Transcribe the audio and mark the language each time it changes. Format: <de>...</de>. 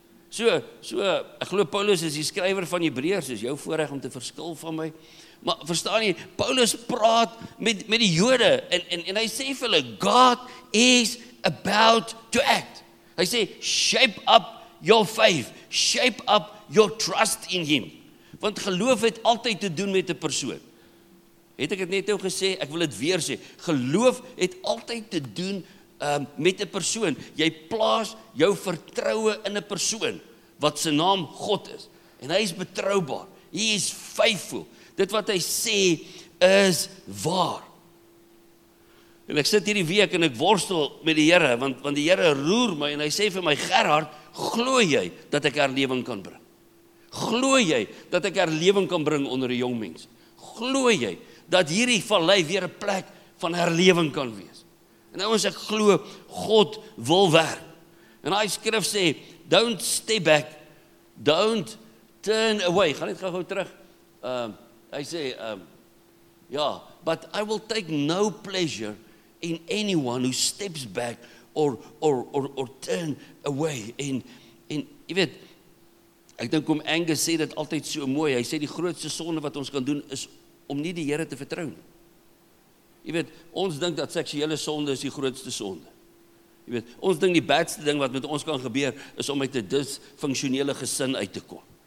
<af>So ek glo Paulus is die skrywer van Hebreërs, is jou voorreg om te verskil van my. Maar verstaan jy, Paulus praat met die Jode en hy sê vir hulle,</af> <en>God is about to act.</en> <af>Hy sê,</af> <en>shape up your faith, shape up your trust in him.</en> <af>Want geloof het altyd te doen met 'n persoon. Het ek dit net nou gesê, ek wil dit weer sê. Geloof het altyd te doen met 'n persoon. Jy plaas jou vertroue in 'n persoon wat se naam God is. En hy is betroubaar. Hy is faithful. Dit wat hy sê is waar. En ek sit hierdie week en ek worstel met die Here, want die Here roer my en hy sê vir my, Gerhard, glo jy dat ek herlewing kan bring? Glo jy dat ek herlewing kan bring onder die jong mense? Glo jy dat hierdie vallei weer 'n plek van herlewing kan wees? En nou ons ek glo God wil werk. En hy skrif sê,</af> <en>don't step back, don't turn away.</en> <af>Gaan net gou terug. Hy sê,</af> <en>but I will take no pleasure in anyone who steps back or turn away.</en> <af>En jy weet, ek dink om Angus sê dit altyd so mooi, hy sê die grootste sonde wat ons kan doen is om nie die Here te vertrou. Jy weet, ons dink dat seksuele sonde is die grootste sonde. Jy weet, ons dink die badste ding wat met ons kan gebeur is om uit 'n disfunksionele gesin uit te kom.</af>